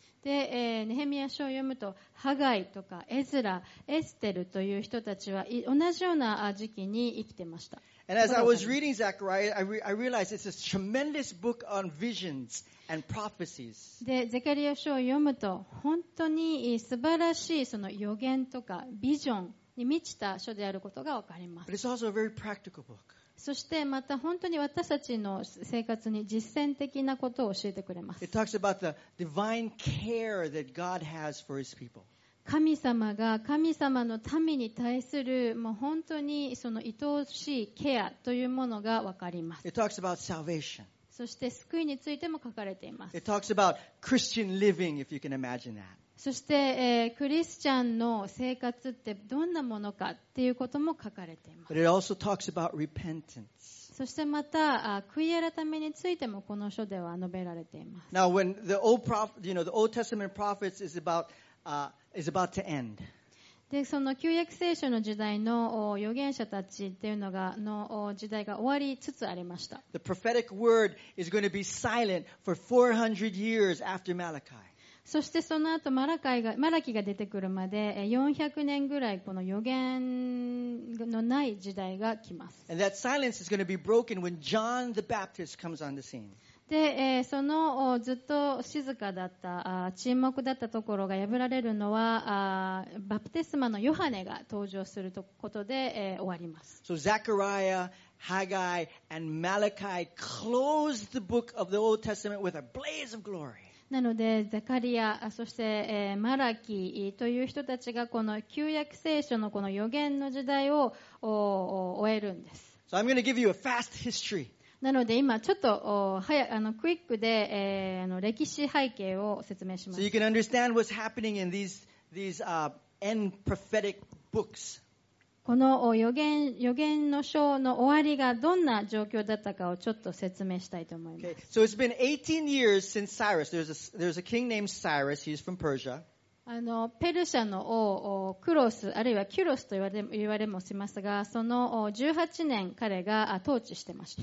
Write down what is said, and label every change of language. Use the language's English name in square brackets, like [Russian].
[Japanese] で、ネヘミヤ書を読むと、ハガイとかエズラ、エステルという人たちは同じような時期に生きてました。 [English] And as I was reading Zechariah, I realized it's a tremendous book on visions. And prophecies. [Japanese] で、ゼカリア書を読むと本当に素晴らしいその予言とかビジョンに満ちた書であることが分かります。 [English] But it's also a very practical book. [Japanese] そしてまた本当に私たちの生活に実践的なことを教えてくれます。 [English] It talks about the divine care that God has for his people. [Japanese] 神様が神様の民に対するもう本当にその愛おしいケアというものが分かります。 [English] It talks about salvation. [Japanese] そして救いについても書かれています。 [English] It talks about Christian living, if you can imagine that. [Japanese] そして、クリスチャンの生活ってどんなものかっていうことも書かれています。 [English] But it also talks about repentance. [Japanese] そしてまた、悔い改めについてもこの書では述べられています。 [English] Now, when the old prophet, you know, the Old Testament prophets is about to end. [Japanese] でその旧約聖書の時代の預言者たちっていうのがの時代が終わりつつありました。 [English] The prophetic word is going to be silent for 400 years after Malachi. [Japanese] そしてその後マラキが出てくるまで400年ぐらいこの預言のない時代が来ます。 [English] And that silence is going to be broken when John the Baptist comes on the scene. [Japanese] で、そのずっと静かだった沈黙だったところが破られるのはバプテスマのヨハネが登場することで終わります。 [English] So Zechariah, Haggai, and Malachi close the book of the Old Testament with a blaze of glory. [Japanese] なのでザカリア、そしてマラキという人たちがこの旧約聖書のこの預言の時代を終えるんです。 [English] So I'm going to give you a fast history. [Japanese] なので今ちょっと早あのクイックで、歴史背景を説明します。 [English] So you can understand what's happening in these end prophetic books. [Japanese] この予言の書の終わりがどんな状況だったかをちょっと説明したいと思います。 [English] Okay. So it's been 18 years since Cyrus. There's a king named Cyrus. He's from Persia. [Japanese] ペルシャの王クロスあるいはキュロスと言われもしますが、その18年彼が統治してました。